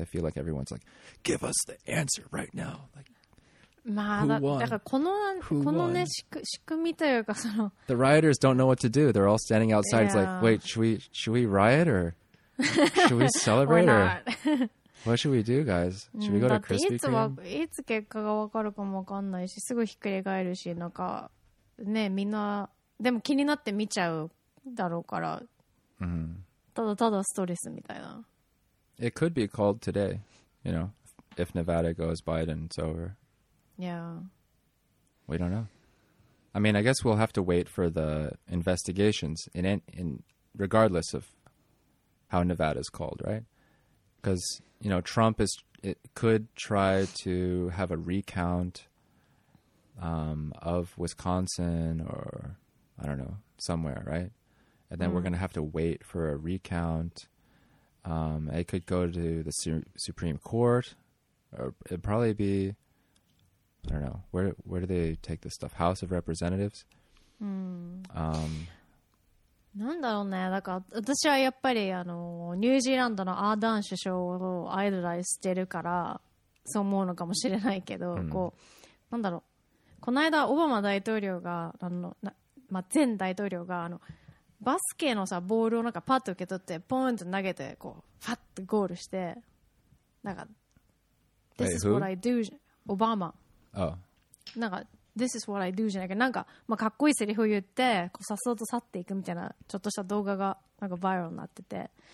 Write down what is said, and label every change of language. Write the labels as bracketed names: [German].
[English] I feel like everyone's like, give us the answer right now. Like, [Japanese] まあ、 [English] who won? [Japanese] だからこの、who このね、仕組みというかその。 [English] The rioters don't know what to do. They're all standing outside. Yeah. It's like, wait, should we riot or should we celebrate or not? What should we do, guys? Should we go to Krispy Kreme? [Japanese] だっていつ結果が分かるかも分かんないし、すぐひっくり返るし、なんか、ね、みんな、でも気になって見ちゃうだろうから。うん。ただただストレスみたいな。 [English] It could be called today, you know, if Nevada goes Biden, it's over. Yeah. We don't know. I mean, I guess we'll have to wait for the investigations in regardless of how Nevada's called, right? Because, you know, Trump could try to have a recount of Wisconsin or, I don't know, somewhere, right? And then we're going to have to wait for a recount. It could go to the Supreme Court. Or it'd probably be, I don't know, where do they take this stuff? House of Representatives? [Japanese] なんだろうね。だから私はやっぱりあのニュージーランドのアーダーン首相をアイドライズしてるからそう思うのかもしれないけど、こう、なんだろう。この間オバマ大統領が、あの、まあ、前大統領が、あのバスケのさボールをなんかパッと受け取ってポーンと投げてこうファッとゴールしてなんか [English] This is what I do [Japanese] オバマ、なんか This is what I do じゃないけどなんか、まあ、かっこいいセリフを言ってこうさっそうと去っていくみたいなちょっとした動画がなんかバイラルになってて、